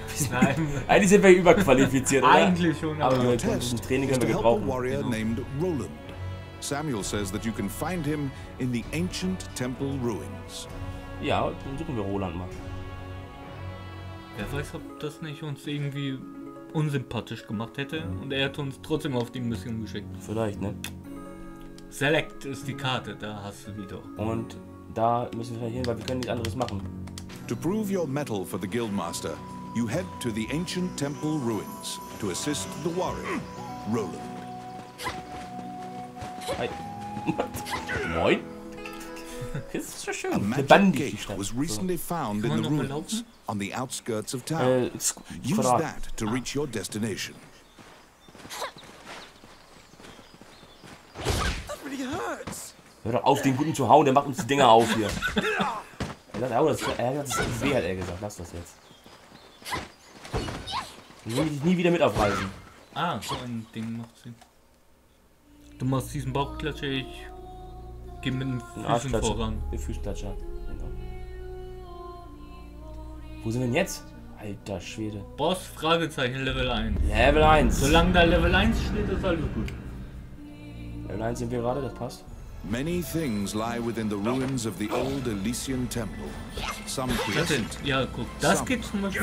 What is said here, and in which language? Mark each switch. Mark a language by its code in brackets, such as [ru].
[de] Nein. Eigentlich sind wir überqualifiziert, oder? Eigentlich schon. Aber wir testen Training können wir gebrauchen. [en] Warrior named Roland. Samuel says that you can find him in the ancient temple ruins. [de] Ja, dann suchen wir Roland mal. Wer weiß, ob das nicht uns irgendwie unsympathisch gemacht hätte und er hat uns trotzdem auf die Mission geschickt. Vielleicht, ne? Select ist die Karte, da hast du die doch. Und da müssen wir hin, weil wir können nichts anderes machen. [en] To prove your mettle for the Guildmaster, you head to the ancient temple ruins to assist the warrior, Roland. [de] Hi. Moin. Das ist schon schön. [en] A magic gate was recently found in the ruins on the outskirts of town. Use that to reach your destination. That really hurts. [de] Hör doch auf, den Guten zu hauen, der macht uns die Dinger auf hier. Er hat gesagt, lass das jetzt. Ich will dich nie wieder mit aufreisen. Ah, so ein Ding macht sie. Du machst diesen Bauchklatscher, ich geh mit den Füßen voran. Der Füßklatscher. Genau. Wo sind wir denn jetzt? Alter Schwede. Boss, Fragezeichen, Level 1. Level 1. Solange da Level 1 steht, ist alles gut. Level 1 sind wir gerade, das passt. [en] Many things lie within the ruins of the old Elysian Temple. Some present, [de] ja, guck, das gibt's zum Beispiel